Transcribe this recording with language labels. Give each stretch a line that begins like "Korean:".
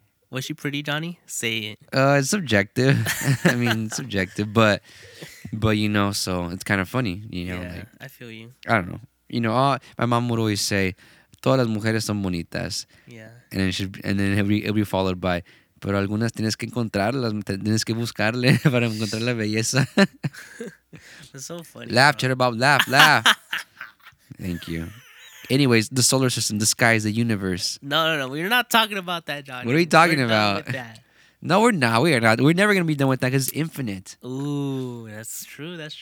English: Was she pretty, Johnny? Say it. It's subjective. I mean, subjective, but you know, so it's kind of funny, you know. Yeah, like, I feel you. I don't know. You know, my mom would always say,
Spanish: todas las mujeres son bonitas.
English: Yeah. And then it'll be followed by.
Spanish: Pero algunas tienes que encontrarlas, tienes que buscarle para encontrar la belleza.
English: That's so funny. Laugh, Chatterbob, laugh, laugh. Thank you. Anyways, the solar system, the sky is the universe. No. We're not talking about that, Johnny. What are you talking about? Done with that. No, we're not. We are not. We're never going to be done with that because it's infinite. Ooh, that's true.